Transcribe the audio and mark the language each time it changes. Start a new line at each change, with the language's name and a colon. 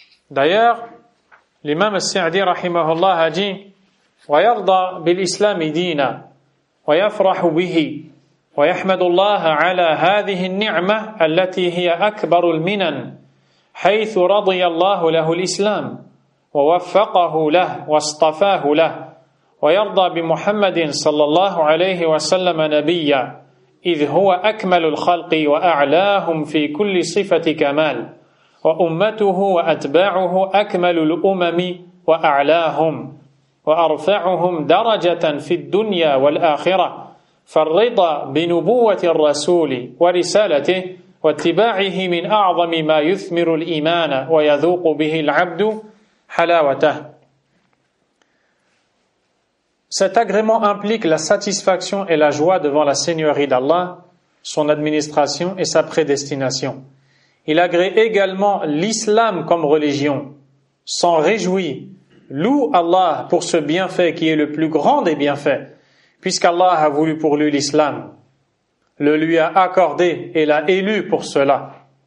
French: D'ailleurs, l'imam al-Sa'di rahimahullah a dit
Arabic: wa yarda bil islam dina wa yafrahu bihi wa yahmadu Allah ala hadhihi an-ni'mah allati hiya akbar al-minan haythu radiya Allah lahu al-islam ووفقه له واصطفاه له ويرضى بمحمد صلى الله عليه وسلم نبيا إذ هو أكمل الخلق وأعلاهم في كل صفة كمال وأمته وأتباعه أكمل الأمم وأعلاهم وأرفعهم درجة في الدنيا والآخرة فالرضا بنبوة الرسول ورسالته واتباعه من أعظم ما يثمر الإيمان ويذوق به العبد حلاوته.
French: Cet agrément implique la satisfaction et la joie devant la seigneurie d'Allah, son administration et sa prédestination. Il agrée également l'islam comme religion, s'en réjouit, loue Allah pour ce bienfait qui est le plus grand des bienfaits, puisqu'Allah a voulu pour lui l'islam, le lui a accordé et l'a élu pour cela.